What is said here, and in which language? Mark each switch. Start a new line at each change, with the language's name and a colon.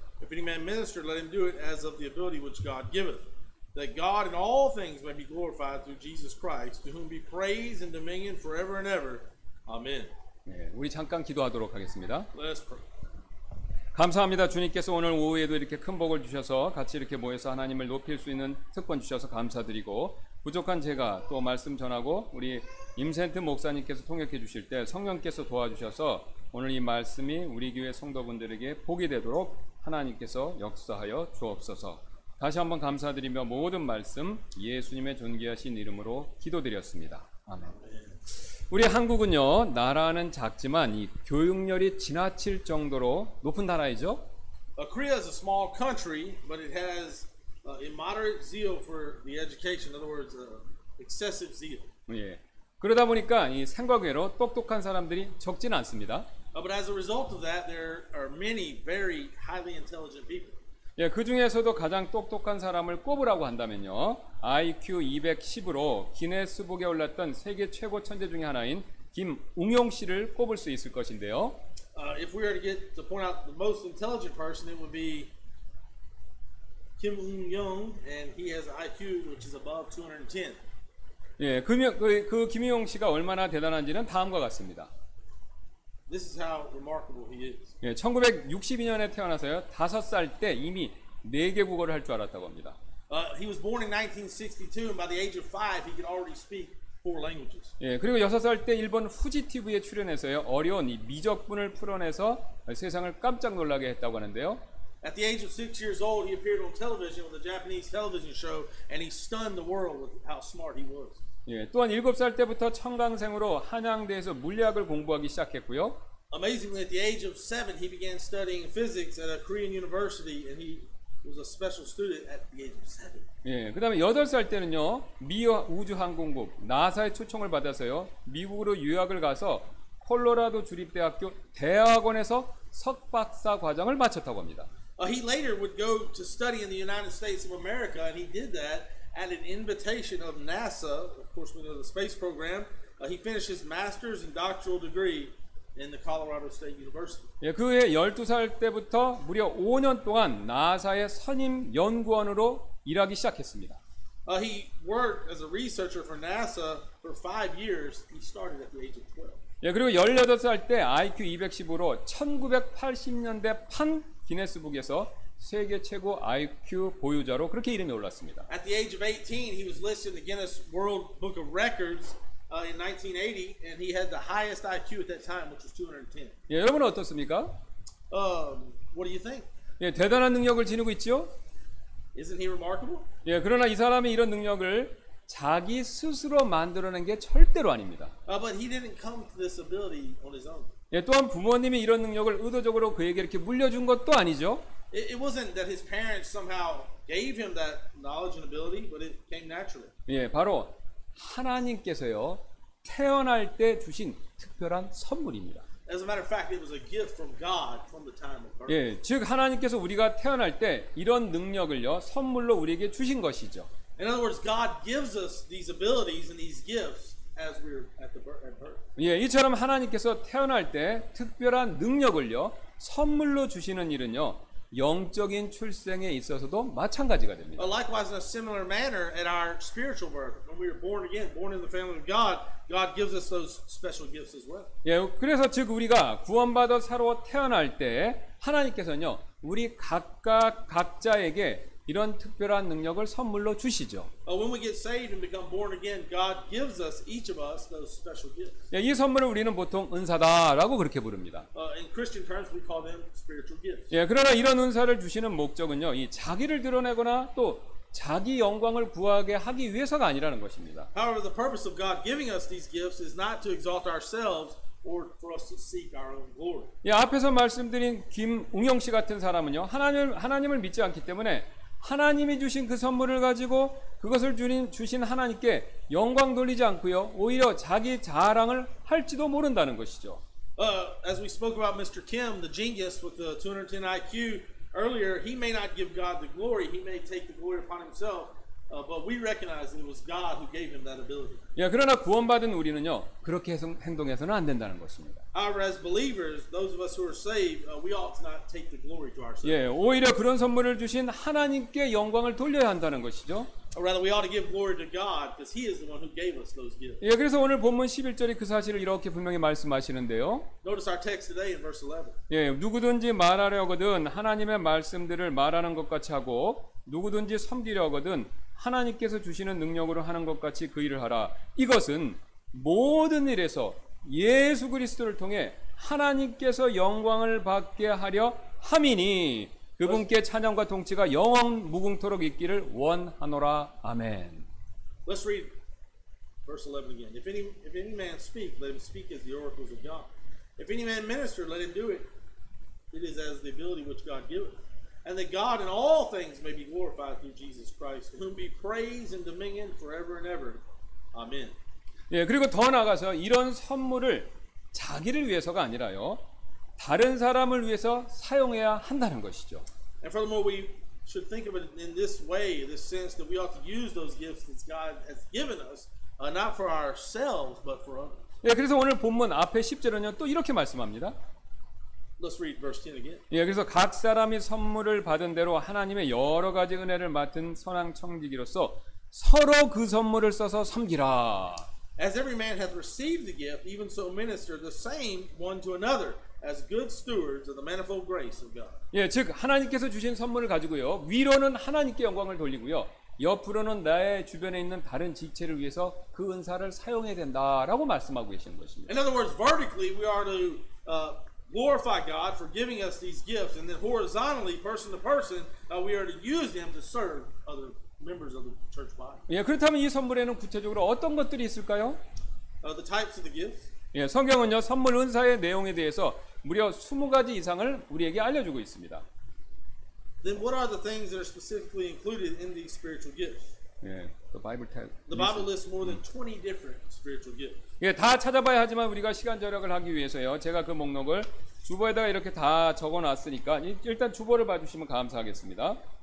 English: If any man minister, let him do it as of the ability which God giveth, that God in all things may be glorified through Jesus Christ, to whom be praise and dominion forever and ever. Amen.
Korean: 네, 우리 잠깐 기도하도록 하겠습니다. 감사합니다. 주님께서 오늘 오후에도 이렇게 큰 복을 주셔서 같이 이렇게 모여서 하나님을 높일 수 있는 특권 주셔서 감사드리고 부족한 제가 또 말씀 전하고 우리 임센트 목사님께서 통역해 주실 때 성령께서 도와주셔서 오늘 이 말씀이 우리 교회 성도분들에게 복이 되도록 하나님께서 역사하여 주옵소서. 다시 한번 감사드리며 모든 말씀 예수님의 존귀하신 이름으로 기도드렸습니다. 아멘. 우리 한국은요, 나라는 작지만 이 교육열이 지나칠 정도로 높은 나라이죠.
English: Korea is a small country, but it has immoderate zeal for the education. In other words, excessive zeal.
Korean: 예. 그러다 보니까 이 생각외로 똑똑한 사람들이 적진 않습니다.
English: But as a result of that, there are many very highly intelligent people.
Korean: 예, 그 중에서도 가장 똑똑한 사람을 꼽으라고 한다면요, IQ 210으로 기네스북에 올랐던 세계 최고 천재 중에 하나인 김웅용 씨를 꼽을 수 있을 것인데요.
English: If we were to get to point out the most intelligent person, it would be Kim Ung-young, and he has IQ which is above 210.
Korean: 예, 그 김웅용 씨가 얼마나 대단한지는 다음과 같습니다.
English: This is how remarkable he is.
Korean: 예, 1962년에 태어나서요. 5살 때 이미 4개 국어를 할 줄 알았다고 합니다.
English: He was born in 1962 and by the age of 5 he could already speak 4 languages.
Korean: 예, 그리고 6살 때 일본 후지 TV에 출연해서요. 어려운 이 미적분을 풀어내서 세상을 깜짝 놀라게 했다고 하는데요.
English: At the age of 6 years old he appeared on television with a Japanese television show and he stunned the world with how smart he was.
Korean: 예, 또한 7살 때부터 청강생으로 한양대에서 물리학을 공부하기 시작했고요.
English: Amazingly, at the age of 7, he began studying physics at a Korean university, and he was a special student at the age of 7.
Korean: 예, 그다음에 8살 때는요, 미 우주 항공국 나사의 초청을 받아서요, 미국으로 유학을 가서 콜로라도 주립대학교 대학원에서 석박사 과정을 마쳤다고 합니다.
English: He later would go to study in the United States of America, and he did that. At an invitation of NASA, of course we know the space program, he finished his master's and doctoral degree in the Colorado State University.
Korean: 예, 그의 12살 때부터 무려 5년 동안 나사의 선임 연구원으로 일하기 시작했습니다.
English: He worked as a researcher for NASA for 5 years. He started at the age of 12.
Korean: 예, 그리고 18살 때 IQ 210으로 1980년대 판 기네스북에서 세계 최고 IQ 보유자로 그렇게 이름이 올랐습니다.
English: At the age of 18, he was listed in the Guinness World Book of Records in 1980, and he had the highest IQ at that time, which was 210.
Korean: 예, 여러분 어떻습니까?
English: What do you think?
Korean: 예, 대단한 능력을 지니고 있죠.
English: Isn't he remarkable?
Korean: 예, 그러나 이 사람이 이런 능력을 자기 스스로 만들어낸 게 절대로 아닙니다.
English: But he didn't come to this ability on his own.
Korean: 예, 또한 부모님이 이런 능력을 의도적으로 그에게 이렇게 물려준 것도 아니죠.
English: It wasn't that his parents somehow gave him that knowledge and ability, but it came naturally.
Korean: 예, 바로 하나님께서요 태어날 때 주신 특별한 선물입니다.
English: As a matter of fact, it was a gift from God from the time of birth.
Korean: 예, 즉 하나님께서 우리가 태어날 때 이런 능력을요 선물로 우리에게 주신 것이죠.
English: In other words, God gives us these abilities and these gifts as we were at the birth.
Korean: 예, 이처럼 하나님께서 태어날 때 특별한 능력을요 선물로 주시는 일은요 영적인 출생에 있어서도 마찬가지가 됩니다.
English: Likewise, in a similar manner, at our spiritual birth, when we are born again, born in the family of God, God gives us those special gifts as well.
Korean: 예, 그래서 즉 우리가 구원받아 새로 태어날 때 하나님께서는요 우리 각각 각자에게 이런 특별한 능력을 선물로 주시죠.
English: When we get saved and become born again, God gives us each of us those special gifts.
Korean: 예, 이 선물을 우리는 보통 은사다라고 그렇게 부릅니다.
English: In Christian terms, we call them spiritual gifts.
Korean: 예, 그러나 이런 은사를 주시는 목적은요, 이 자기를 드러내거나 또 자기 영광을 구하게 하기 위해서가 아니라는 것입니다.
English: However, the purpose of God giving us these gifts is not to exalt ourselves. Or for us to seek our own glory.
Korean: 예, 앞에서 말씀드린 김웅영 씨 같은 사람은요 하나님을 믿지 않기 때문에 하나님이 주신 그 선물을 가지고 그것을 주신 하나님께 영광 돌리지 않고요 오히려 자기 자랑을 할지도 모른다는 것이죠.
English: As we spoke about Mr. Kim, the genius with the 210 IQ earlier, he may not give God the glory. He may take the glory upon himself. But we recognize it was God who gave him that ability.
Korean: 예, 그러나 구원받은 우리는요 그렇게 행동해서는 안 된다는 것입니다.
English: However, as believers, those of us who are saved, we ought not take the glory to ourselves.
Korean: 예, 오히려 그런 선물을 주신 하나님께 영광을 돌려야 한다는 것이죠.
English: Rather, we ought to give glory to God, because He is the one who gave us those gifts.
Korean: 예, 그래서 오늘 본문 11절이 그 사실을 이렇게 분명히 말씀하시는데요.
English: Notice our text today in verse 11.
Korean: 예, 누구든지 말하려거든 하나님의 말씀들을 말하는 것 같이 하고 누구든지 섬기려거든 하나님께서 주시는 능력으로 하는 것 같이 그 일을 하라. 이것은 모든 일에서 예수 그리스도를 통해 하나님께서 영광을 받게 하려 함이니 그분께 찬양과 통치가 영원 무궁토록 있기를 원하노라. 아멘.
English: Let's read verse 11 again. If any man speak, let him speak as the oracles of God. If any man minister, let him do it. It is as the ability which God giveth. And that God in all things may be glorified through Jesus Christ, whom be praise and dominion forever and ever. Amen.
Korean: 예, 그리고 더 나아가서 이런 선물을 자기를 위해서가 아니라요, 다른 사람을 위해서 사용해야 한다는 것이죠.
English: And furthermore, we should think of it in this way, this sense that we ought to use those gifts that God has given us, not for ourselves, but for others.
Korean: 예, 그래서 오늘 본문 앞에 10절은요, 또 이렇게 말씀합니다.
English: Let's read verse 10 again.
Korean: 예, 그래서 각 사람이 선물을 받은 대로 하나님의 여러 가지 은혜를 맡은 선한 청지기로서 서로 그 선물을 써서 섬기라.
English: As every man hath received the gift, even so minister the same one to another as good stewards of the manifold grace of God.
Korean: 예, 즉 하나님께서 주신 선물을 가지고요 위로는 하나님께 영광을 돌리고요 옆으로는 나의 주변에 있는 다른 지체를 위해서 그 은사를 사용해야 된다라고 말씀하고 계신 것입니다.
English: In other words, vertically we are to glorify God for giving us these gifts, and then horizontally, person to person, we are to use them to serve other members of the church body.
Korean: 예, 그렇다면 이 선물에는 구체적으로 어떤 것들이 있을까요?
English: The types of the gifts.
Korean: 예, 성경은요 선물 은사의 내용에 대해서 무려 20가지 이상을 우리에게 알려주고 있습니다.
English: Then what are the things that are specifically included in these spiritual gifts?
Korean: 예,
English: The Bible lists more than 20 different spiritual gifts.
Korean: 예, 다 찾아봐야 하지만 우리가 시간 절약을 하기 위해서요. 제가 그 목록을 주보에다가 이렇게 다 적어놨으니까 일단 주보를 봐주시면 감사하겠습니다.